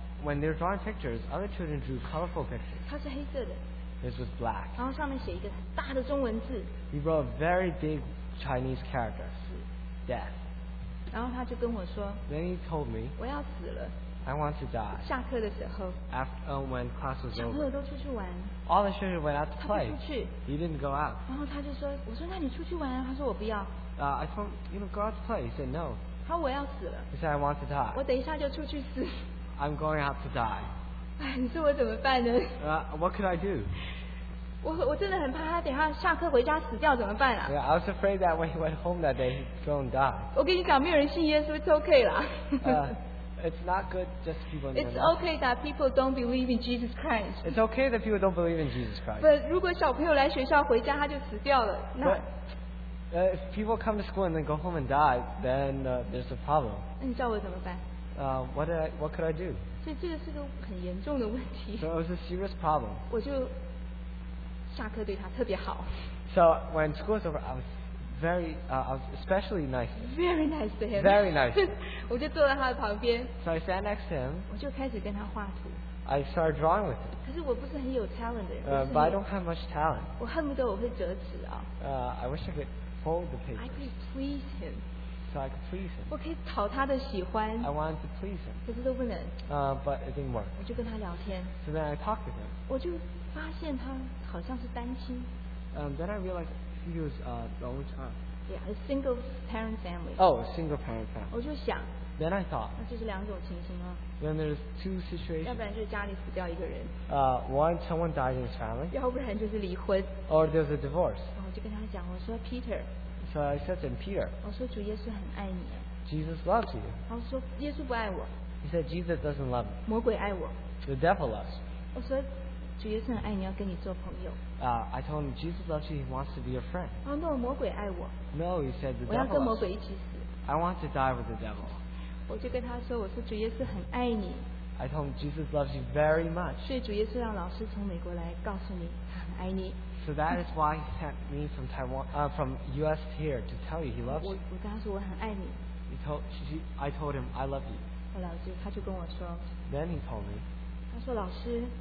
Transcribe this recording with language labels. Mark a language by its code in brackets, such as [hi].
[en] When they were drawing pictures, other children drew colorful pictures. [zh] 他是黑色的, [en] this was black. [zh] 然后上面写一个很大的中文字, [en] he wrote a very big Chinese character, death. [zh] 然后他就跟我说, [en] then he told me, [zh] 我要死了, [en] I want to die. [zh] 下课的时候, [en] after, when class was over, [zh] 小朋友都出去玩, [en] all the children went out to play. [zh] 他不出去, [en] he didn't go out. [zh] 然后他就说, 我说那你出去玩, 他说我不要, [en] I told him, you know, go out to play. He said no. [zh] 他说我要死了, [en] he said I want to die. [zh] 我等一下就出去死, [en] I'm going out to die. [zh] 你说我怎么办呢? [en] What could I do? [zh] 我真的很怕他等一下下课回家死掉怎么办? [en] Yeah, I was afraid that when he went home that day, he'd go and die. [zh] 我跟你讲没有人信耶稣, [en] it's okay lah. It's not good just people know. It's okay that people don't believe in Jesus Christ. It's okay that people don't believe in Jesus Christ. [zh] But 如果小朋友来学校回家他就死掉了, 那, [en] but, if people come to school and then go home and die, then there's a problem. [zh] 那你叫我怎么办? [en] What could I do? [zh] 所以这个是个很严重的问题, [en] so it was a serious problem. [zh] 我就下课对他特别好, [en] so when school was over, I was very, I was especially nice. Very nice to him. Very nice. [zh] 我就坐在他的旁边, [en] so I sat next to him. [zh] 我就开始跟他画图, [en] I started drawing with him. [zh] 可是我不是很有 talent, [en] but I don't have much talent. [zh] 我恨不得我会折纸啊, [en] I wish I could fold the paper. I could please him. So I could please him. [zh] 我可以讨他的喜欢, [en] I wanted to please him. [zh] 可是都不能, [en] but it didn't work. [zh] 我就跟他聊天, [en] so then I talked with him. [zh] 我就发现他好像是单亲, [en] then I realized he was the only child. Yeah, a single parent family. Oh, a single parent family. [zh] 我就想, [en] then I thought, [zh] 那就是两种情形啊, [en] then there's two situations. [zh] 要不然就是家里死掉一个人, [en] one, someone died in his family. [zh] 要不然就是离婚, [en] or there's a divorce. [zh] 我就跟他讲, 我说, Peter, [en] so I said to him, Peter, [zh] 我说主耶稣很爱你, [en] Jesus loves you. [zh] 然后说耶稣不爱我, [en] he said Jesus doesn't love me. [zh] 魔鬼爱我, [en] the devil loves me. [zh] 我说, 主耶稣很爱你要跟你做朋友, [en] I told him Jesus loves you, he wants to be your friend. [zh] Oh, no, 魔鬼爱我, [en] no, he said the devil loves me. I want to die with the devil. [zh] 我就跟他说，我说主耶稣很爱你。 [en] I told him Jesus loves you very much. [zh] 所以主耶稣让老师从美国来告诉你，他很爱你。 [en] So that is why he sent me from Taiwan, from U.S. here to tell you he loves you. [zh] 我跟他说我很爱你。 [en] I told him I love you. [zh] 后来就他就跟我说。 [en] Then he told me. [zh] 他说老师。